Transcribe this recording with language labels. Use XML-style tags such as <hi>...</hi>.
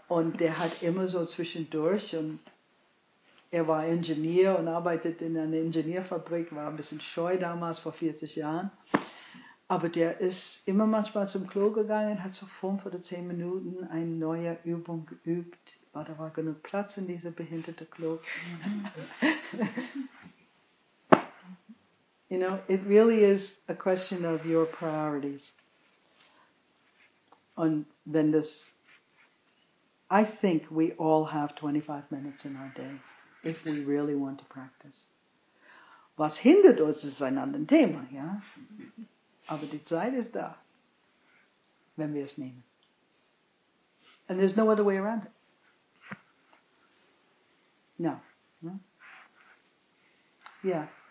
<de>Und der hat immer so zwischendurch und er war Ingenieur und arbeitete in einer Ingenieurfabrik, war ein bisschen scheu damals vor 40 Jahren. Aber der ist immer manchmal zum Klo gegangen, hat so 5 oder 10 Minuten eine neue Übung geübt. Aber da war genug Platz in diesem behinderte Klo.</de> <en>You know, it really is a question of your priorities.</en> <de>Und wenn das...</de> <en>I think we all have 25 minutes in our day, if we really want to practice.</en> <de>Was hindert uns, ist ein anderes Thema, ja? Aber die Zeit ist da, wenn wir es nehmen.</de> <en>And there's no other way around it. No. Ja. Yeah.</en>